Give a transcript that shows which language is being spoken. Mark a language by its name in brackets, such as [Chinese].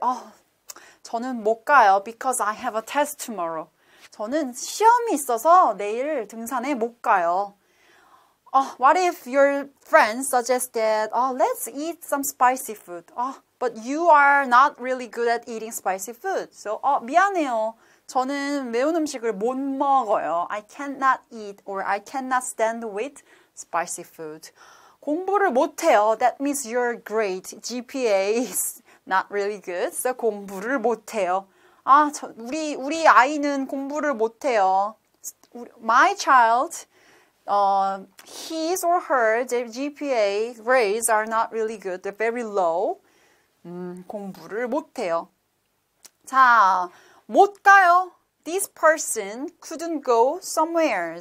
[Korean] Oh, 저는 못 가요 [English] because I have a test tomorrow. [Korean] 저는 시험이 있어서 내일 등산에 못 가요. [English] What if your friend suggested, oh, let's eat some spicy food. Oh, but you are not really good at eating spicy food. [Korean] So, 미안해요. 저는 매운 음식을 못 먹어요. [English] I cannot eat or I cannot stand with spicy food. [Korean] 공부를 못해요. [English] That means your grade, GPA is not really good. [Korean] So 공부를 못해요. 아, 우리 아이는 공부를 못해요. [English] My child, his or her GPA grades are not really good. They're very low. [Korean] 공부를 못해요. [English] 자, [Korean] 못 가요. [English] This person couldn't go somewhere.